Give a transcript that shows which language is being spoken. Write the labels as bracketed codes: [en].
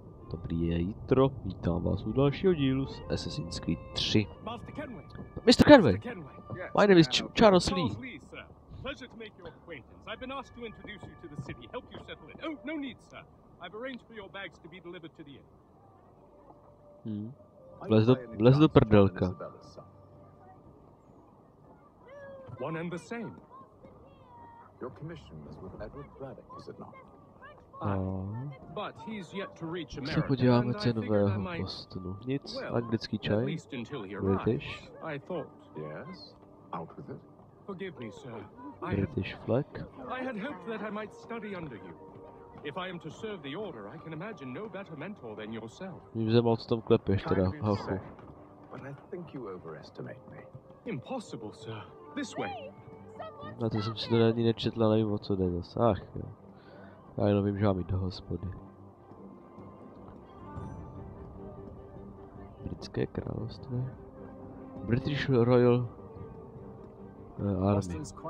[cs] Dobrý jítro, vítám vás u dalšího dílu z Assassin's Creed 3. [en] Mr. Kenway, my name is Charles Lee. Pleasure to make your acquaintance. I've been asked to introduce you to the city, help you settle it. Oh, no need, sir. I've arranged for your bags to be delivered to the inn. [cs] Vlez do prdelka. [en] One and the same. Your commission is with Edward Braddock, is it not? But he's yet to reach America. [cs] Se podíváme co nového v Bostonu. Nic, anglický čaj. [en] British. I thought. Yes. Out with it. Forgive me, sir. British flag. I had hoped that I might study under you. If I am to serve the order, I can imagine no better mentor than yourself. But I think you overestimate me. Impossible, sir. This way. [cs] Na to jsem si to ani nečetl, nevím, o co jde zase. Ach, jo. Já jenom vím, že mám jít do hospody. Britské království. [en] British Royal Army.